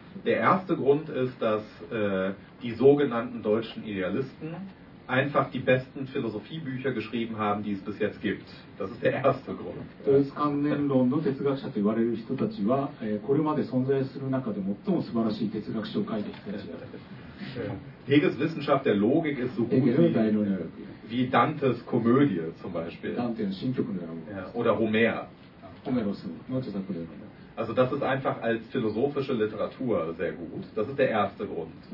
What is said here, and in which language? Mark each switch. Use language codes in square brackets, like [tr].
[de] Der erste Grund ist, dass die sogenannten deutschen Idealisten einfach die besten Philosophiebücher geschrieben haben, die es bis jetzt gibt. Das ist der erste Grund. [ja] Deutsche 関連論の哲学者と言われる人たちは、これまで存在する中で最も素晴らしい哲学書を書いてきた人たちだ。 [de] Hegels Wissenschaft der Logik ist so gut wie Dantes Komödie zum Beispiel. [ja] Dante の新曲のような。 [de] Oder Homer. [ja] Homeros の著作のような。 [de] Also das ist einfach als philosophische Literatur sehr gut. Das ist der erste Grund.